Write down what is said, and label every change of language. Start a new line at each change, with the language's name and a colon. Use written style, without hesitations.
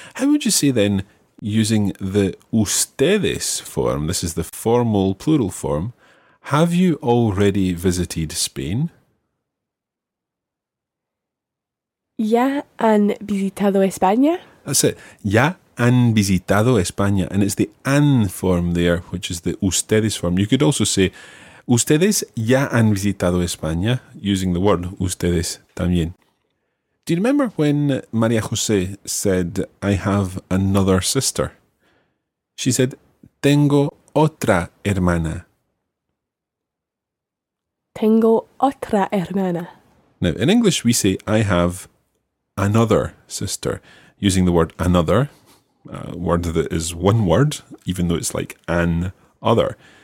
English: How would you say then, using the ustedes form, this is the formal plural form, have you already visited Spain?
Spanish: ¿Ya han visitado España?
English: That's it.
Spanish: ¿Ya han visitado España?
English: And it's the han form there, which is the ustedes form. You could also say,
Spanish: ¿ustedes ya han visitado España?
English: Using the word ustedes también. Do you remember when María José said, "I have another sister"? She said,
Spanish: "Tengo otra hermana." Tengo otra hermana.
English: Now, in English, we say, "I have another sister," using the word another, a word that is one word, even though it's like an other.